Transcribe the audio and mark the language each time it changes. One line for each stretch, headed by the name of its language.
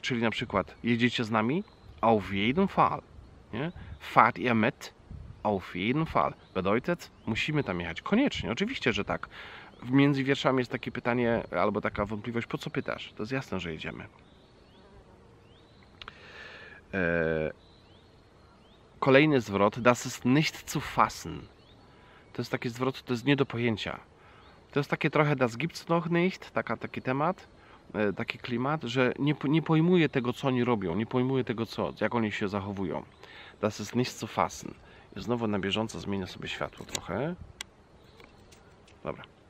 Polish: Czyli na przykład jedziecie z nami?
German: Auf jeden Fall. Nie? Fahrt ihr mit? Auf jeden Fall. Bedeutet,
Polish: musimy tam jechać. Koniecznie, oczywiście, że tak. Między wierszami jest takie pytanie, albo taka wątpliwość, po co pytasz? To jest jasne, że jedziemy. Kolejny zwrot,
German: das ist nicht zu fassen.
Polish: To jest taki zwrot, to jest nie do pojęcia. To jest takie trochę
German: das gibt's noch nicht,
Polish: taki temat, taki klimat, że nie pojmuje tego, co oni robią, nie pojmuje tego, co, jak oni się zachowują.
German: Das ist nicht zu fassen.
Polish: I znowu na bieżąco zmienię sobie światło trochę. Dobra.